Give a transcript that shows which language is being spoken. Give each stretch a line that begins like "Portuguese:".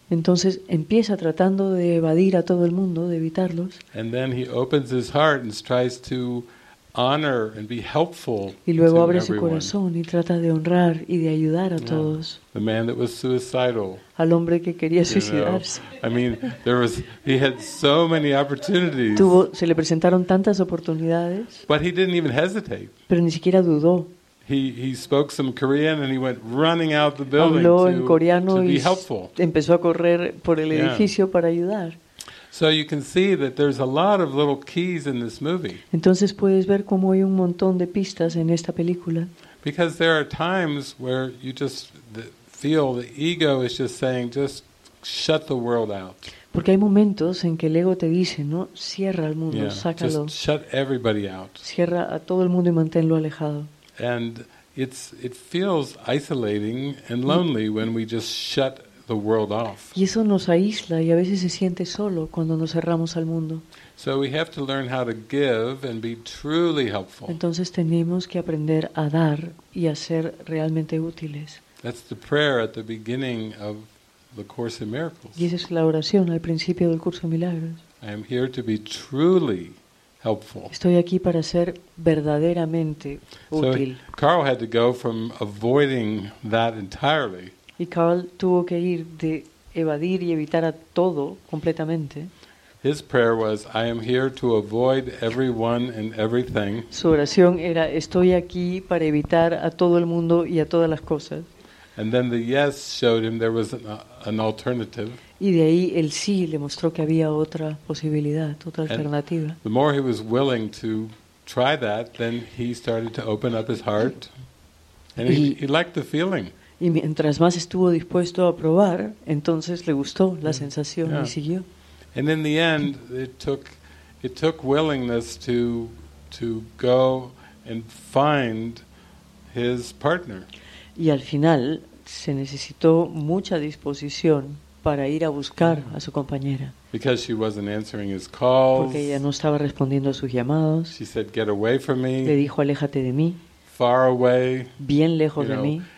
Spanish: Entonces empieza tratando de evadir a todo el mundo, de evitarlos.
English: And then he opens his heart and tries to honor and be helpful to everyone.
Spanish: Y luego abre su corazón y trata de honrar y de ayudar a todos.
English: The man that was suicidal.
Spanish: Al hombre que quería suicidarse.
English: I mean, he had so many opportunities.
Spanish: Se le presentaron tantas oportunidades.
English: But he didn't even hesitate.
Spanish: Pero ni siquiera dudó.
English: He spoke some Korean and he went running out the building to be helpful.
Spanish: Empezó a correr por el edificio para ayudar.
English: So you can see that there's a lot of little keys in this movie.
Spanish: Entonces puedes ver cómo hay un montón de pistas en esta película.
English: Because there are times where you just feel the ego is just saying, just shut the world out.
Spanish: Porque hay momentos en que el ego te dice, ¿no? Cierra al mundo, sácalo.
English: Just shut everybody out.
Spanish: Cierra a todo el mundo y manténlo alejado.
English: And it feels isolating and lonely when we just shut the world off.
Spanish: Y eso nos aísla y a veces se siente solo cuando nos cerramos al mundo.
English: So we have to learn how to give and be truly helpful.
Spanish: Entonces tenemos que aprender a dar y a ser realmente útiles.
English: That's the prayer at the beginning of the Course in Miracles.
Spanish: Y esa es la oración al principio del curso de milagros.
English: I am here to be truly helpful.
Spanish: Estoy aquí para ser verdaderamente útil.
English: So Carl had to go from avoiding that entirely.
Spanish: Y Carl tuvo que ir de evadir y evitar a todo completamente.
English: His prayer was, I am here to avoid everyone and everything.
Spanish: Su oración era, estoy aquí para evitar a todo el mundo y a todas las cosas.
English: And then the yes showed him there was an alternative.
Spanish: Y de ahí el sí le mostró que había otra posibilidad, otra alternativa.
English: And the more he was willing to try that, then he started to open up his heart. And he liked the feeling.
Spanish: Y mientras más estuvo dispuesto a probar, entonces le gustó la sensación y siguió.
English: And in the end, it took willingness to go and find his partner.
Spanish: Y al final se necesitó mucha disposición para ir a buscar a su compañera.
English: Because she wasn't answering his calls.
Spanish: Porque ella no estaba respondiendo a sus llamados.
English: She said, "Get away from me."
Spanish: Le dijo, "Aléjate de mí."
English: Far away.
Spanish: Bien lejos de mí.